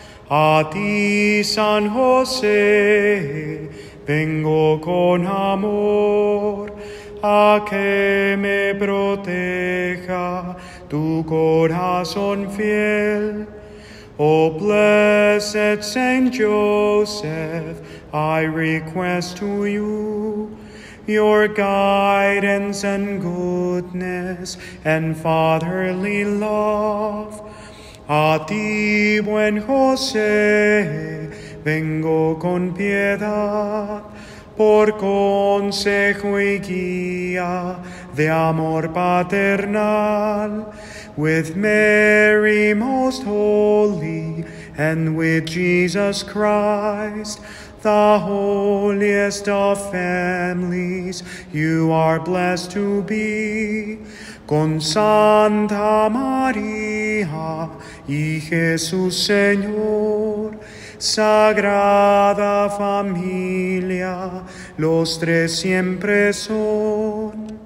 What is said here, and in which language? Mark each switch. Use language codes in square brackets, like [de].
[es] A ti, San José, vengo con amor, a que me proteja tu corazón fiel. [en] O blessed Saint Joseph, I request to you your guidance and goodness and fatherly love. [es] A ti, buen José, vengo con piedad, por consejo y guía de amor paternal. [en] With Mary most holy, and with Jesus Christ, the holiest of families, you are blessed to be. [es] Con Santa María y Jesús Señor, Sagrada familia, los tres siempre son.